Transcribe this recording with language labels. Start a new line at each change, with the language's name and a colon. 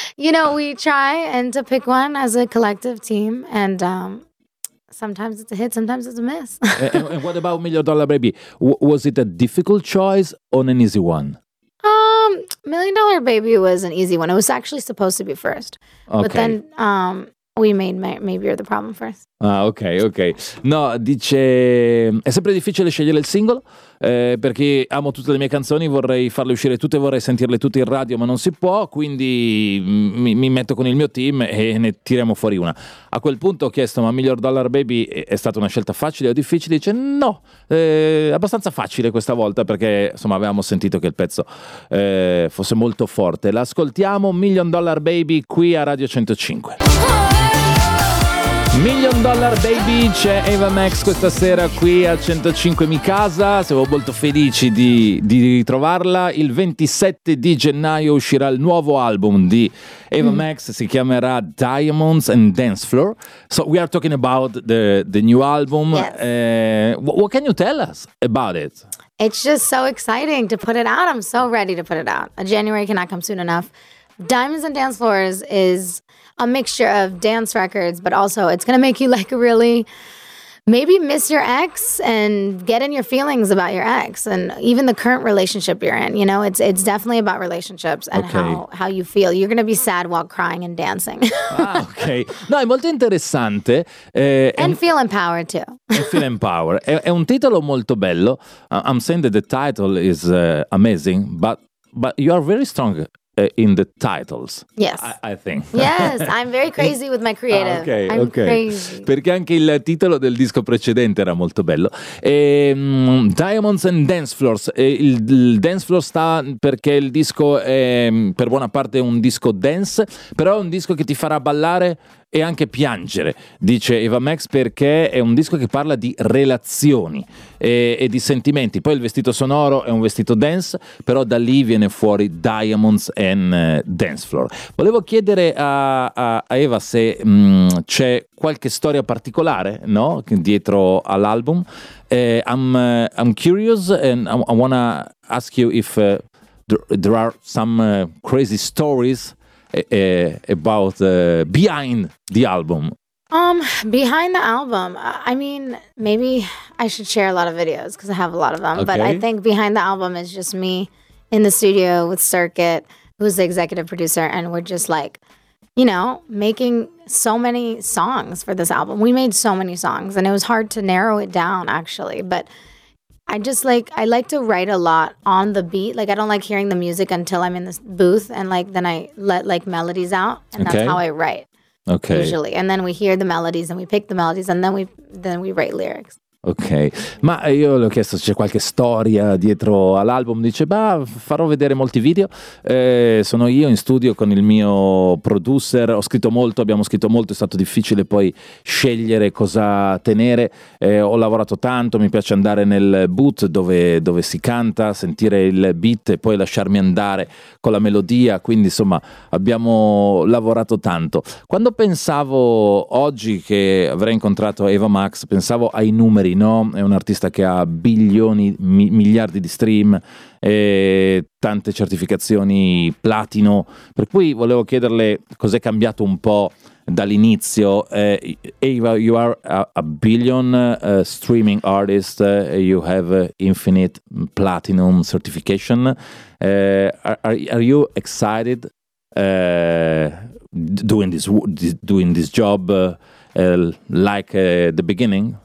English: You know, we try and to pick one as a collective team and sometimes it's a hit, sometimes it's a miss. And what about Million Dollar Baby? Was it a difficult choice or an easy one? Million Dollar Baby was an easy one. It was actually supposed to be first. Okay. But then we made Maybe You're the Problem first. Ah, ok.
Italian: No, dice, è sempre difficile scegliere il singolo, perché amo tutte le mie canzoni, vorrei farle uscire tutte, vorrei sentirle tutte in radio, ma non si può, quindi mi metto con il mio team e ne tiriamo fuori una. A quel punto ho chiesto, ma Million Dollar Baby è stata una scelta facile o difficile? Dice, no, abbastanza facile questa volta, perché insomma avevamo sentito che il pezzo fosse molto forte. L'ascoltiamo, Million Dollar Baby, qui a Radio 105. Million Dollar Baby, c'è Ava Max questa sera qui a 105 Mi Casa. Siamo molto felici di ritrovarla. Il 27 di gennaio uscirà il nuovo album di Ava Max. Si chiamerà Diamonds and Dance Floor.
English: So we are talking about the new album. Yes. What can you tell us about it? It's just so exciting to put it out. I'm so ready to put it out. January cannot come soon enough. Diamonds and Dance Floors is a mixture of dance records, but also it's gonna make you like really maybe miss your ex and get in your feelings about your ex and even the current relationship you're in. You know, it's definitely about relationships and how you feel. You're going to be sad while crying and dancing.
Italian: Ah, okay. No, è molto interessante.
English: And feel empowered too. And feel empowered.
Italian: È un titolo molto bello.
English: I'm saying that the title is amazing, but you are very strong in the titles. Yes. I think. Yes, I'm very crazy with my creative. Okay.
Italian: Perché anche il titolo del disco precedente era molto bello. Diamonds and Dance Floors. Il dance floor sta perché il disco è per buona parte un disco dance, però è un disco che ti farà ballare e anche piangere, dice Eva Max, perché è un disco che parla di relazioni e di sentimenti. Poi il vestito sonoro è un vestito dance, però da lì viene fuori Diamonds and Dance Floor. Volevo chiedere a Eva se c'è qualche storia particolare, no, dietro all'album.
English: I'm curious and I want to ask you if there are some crazy stories about behind the album. Behind the album, I mean, maybe I should share a lot of videos because I have a lot of them. Okay. But I think behind the album is just me in the studio with Circuit, who's the executive producer, and we're just like, you know, making so many songs for this album. We made so many songs and it was hard to narrow it down, actually. But I like to write a lot on the beat. Like, I don't like hearing the music until I'm in the booth, and like then I let like melodies out, and okay, that's how I write. Okay. Usually, and then we hear the melodies and we pick the melodies and then we write lyrics. Okay.
Italian: Ma io le ho chiesto se c'è qualche storia dietro all'album. Dice, bah, farò vedere molti video. Sono io in studio con il mio producer. Ho scritto molto, abbiamo scritto molto. È stato difficile poi scegliere cosa tenere. Ho lavorato tanto. Mi piace andare nel booth dove si canta, sentire il beat e poi lasciarmi andare con la melodia. Quindi, insomma, abbiamo lavorato tanto. Quando pensavo oggi che avrei incontrato Eva Max, pensavo ai numeri. No, è un artista che ha bilioni, miliardi di stream e tante certificazioni platino, per cui volevo chiederle cos'è cambiato un po' dall'inizio.
English: Eva, you are a billion streaming artist, you have infinite platinum certification. Are you excited doing this job the beginning?